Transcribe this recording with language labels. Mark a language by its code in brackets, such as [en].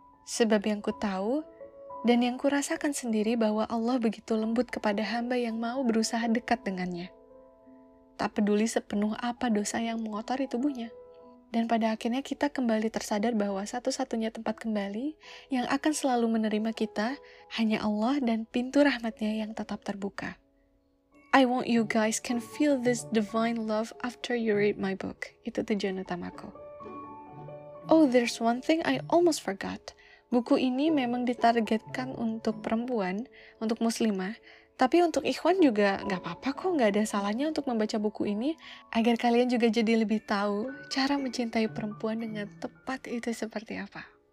[id] Sebab yang ku tahu, dan yang kurasakan sendiri bahwa Allah begitu lembut kepada hamba yang mau berusaha dekat dengannya. Tak peduli sepenuh apa dosa yang mengotori tubuhnya. Dan pada akhirnya kita kembali tersadar bahwa satu-satunya tempat kembali yang akan selalu menerima kita hanya Allah dan pintu rahmatnya yang tetap terbuka. [en] I want you guys can feel this divine love after you read my book. [id] Itu tujuan utamaku. [en] Oh, there's one thing I almost forgot. [id] Buku ini memang ditargetkan untuk perempuan, untuk muslimah, tapi untuk ikhwan juga gak apa-apa kok, gak ada salahnya untuk membaca buku ini, agar kalian juga jadi lebih tahu cara mencintai perempuan dengan tepat itu seperti apa.